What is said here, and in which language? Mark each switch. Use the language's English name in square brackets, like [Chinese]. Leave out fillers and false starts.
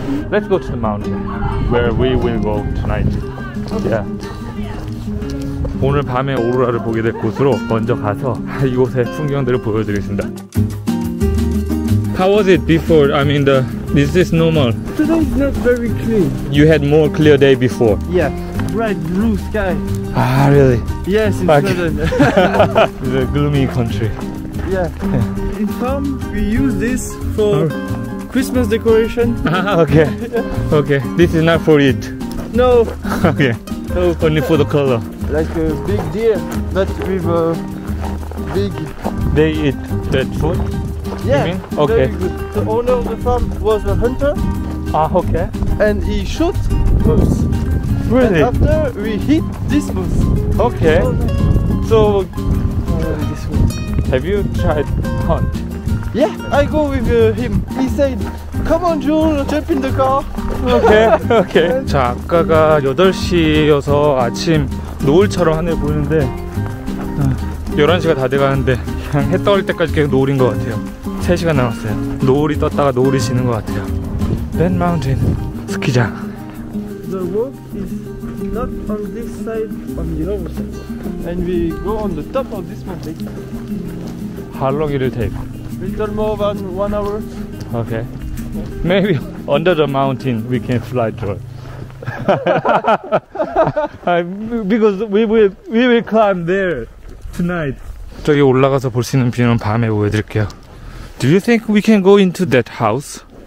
[English] Let's go to the mountain where we will go tonight. Okay. Yeah. [Korean] 오늘 밤에 오로라를 보게 될 곳으로 먼저 가서 이곳의 풍경들을 보여드리겠습니다. [English] How was it before? I mean, is this normal? Today is not very clear. You had more clear day before. Yeah. Bright blue sky. Ah, really? Yes, it's like, Sweden. It's a gloomy country. Yeah. In farm, we use this for Christmas decoration. Ah, okay. Okay. This is not for it. No. Okay. No. Only for the color. Like a big deer, but with a big... They eat dead food? Yeah. You mean? Okay. The owner of the farm was a hunter. Ah, okay. And he shot moose. Really? And after, we hit this moose. Okay. So... This moose. Have you tried hunt? Yeah, I go with him. He said, come on, Joel, jump in the car. Okay, okay. [Korean] 자, 아까가 8시여서 아침 노을처럼 하늘 보이는데 11시가 다 돼가는데 그냥 해 떠올 때까지 계속 노을인 것 같아요. 3시간 남았어요. 노을이 떴다가 노을이 지는 것 같아요. Ben Mountain 스키장. [English] The walk is not on this side, on the other side. And we go on the top of this mountain. How long it will take? Little more than 1 hour. Okay. Maybe under the mountain we can fly to it. Because we will climb there tonight. [Korean] 저기 올라가서 볼 수 있는 뷰는 밤에 보여드릴게요. [English] Do you think we can go into that house?